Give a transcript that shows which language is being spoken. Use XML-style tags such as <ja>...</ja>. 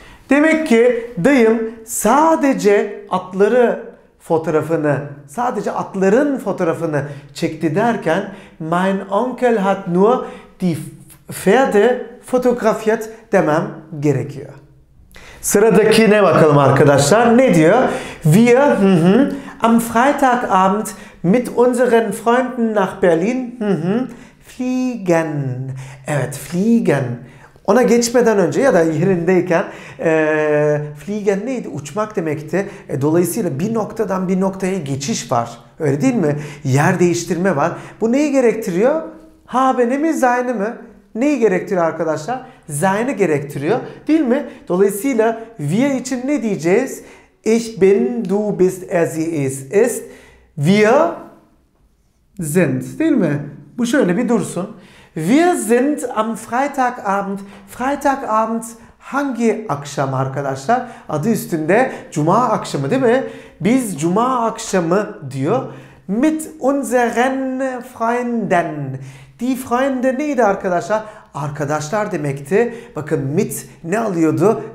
<tr>Demek ki dayım sadece atları fotoğrafını, sadece atların fotoğrafını çekti derken</tr> <de>mein Onkel hat nur die Pferde fotografiert</de> <tr>demem gerekiyor. Sıradaki ne bakalım arkadaşlar, ne diyor?</tr> <de>Wir am Freitagabend mit unseren Freunden nach Berlin fliegen.</de> <tr>Evet, fliegen. Ona geçmeden önce ya da yerindeyken fliegen neydi? Uçmak demekti. Dolayısıyla bir noktadan bir noktaya geçiş var. Öyle değil mi? Yer değiştirme var. Bu neyi gerektiriyor? Haben'i mi, sein'i mi? Neyi gerektiriyor arkadaşlar? Sein'i gerektiriyor, değil mi? Dolayısıyla wir için ne diyeceğiz?</tr> <de>Ich bin, du bist, er, sie, es, ist. Wir sind,</de> <tr>değil mi? Bu şöyle bir dursun.</tr> <de>Wir sind am Freitagabend.</de> <tr>Freitagabend hangi akşam arkadaşlar? Adı üstünde cuma akşamı, değil mi? Biz cuma akşamı diyor.</tr> <de>Mit unseren Freunden. Die Freunde</de> <tr>neydi arkadaşlar? Arkadaşlar demekti. Bakın mit ne alıyordu?</tr>